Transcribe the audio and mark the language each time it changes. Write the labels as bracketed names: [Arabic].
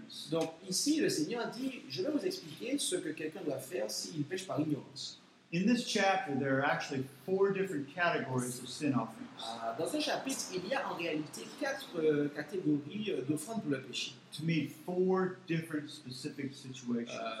[French] Donc ici, le Seigneur dit, « Je vais vous expliquer ce que quelqu'un doit faire s'il pêche par ignorance. » [English] In this chapter, there are actually four different categories of sin offerings. [French] Dans ce chapitre, il y a en réalité quatre catégories d'offrandes pour le péché. [English] To meet four different specific situations.